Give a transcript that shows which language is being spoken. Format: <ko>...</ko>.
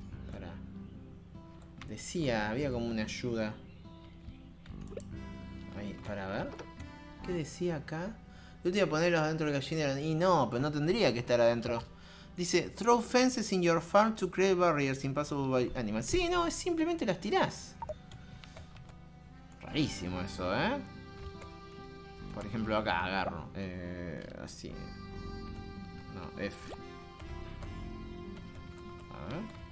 <es>Para. Decía, había como una ayuda. Ahí, para ver. ¿Qué decía acá? Yo te iba a ponerlos adentro del gallinero. Y no, pero no tendría que estar adentro. Dice,</es> <en>throw fences in your farm to create barriers impassable by animals.</en> <es>Sí, no, simplemente las tirás. Rarísimo eso, ¿eh? Por ejemplo, acá agarro. Así. No, F. A ver.</es>